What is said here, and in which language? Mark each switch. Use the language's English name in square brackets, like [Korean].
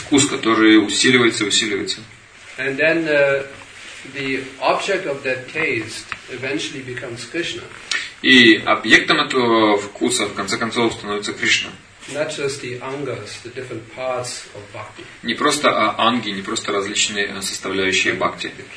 [Russian] Вкус, который усиливается. [English] And then the object of that taste eventually becomes Krishna. [Russian] И объектом этого вкуса в конце концов становится Кришна. [English] Not just the angas, the different parts of bhakti. [Russian] Не просто анги, не просто различные составляющие бхакти.